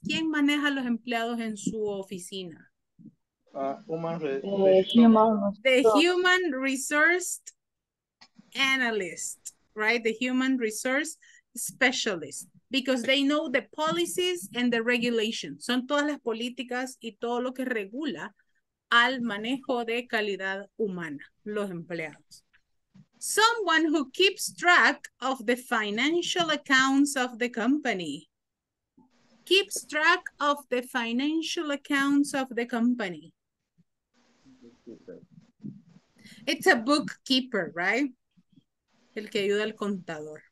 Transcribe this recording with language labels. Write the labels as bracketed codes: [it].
[es] ¿Quién maneja los empleados en su oficina? [en] The human resource analyst, right? The human resource specialist. Because they know the policies and the regulations. [es] Son todas las políticas y todo lo que regula al manejo de calidad humana, los empleados. [en] Someone who keeps track of the financial accounts of the company. Keeps track of the financial accounts of the company. It's a bookkeeper, right? [es] El que ayuda al contador.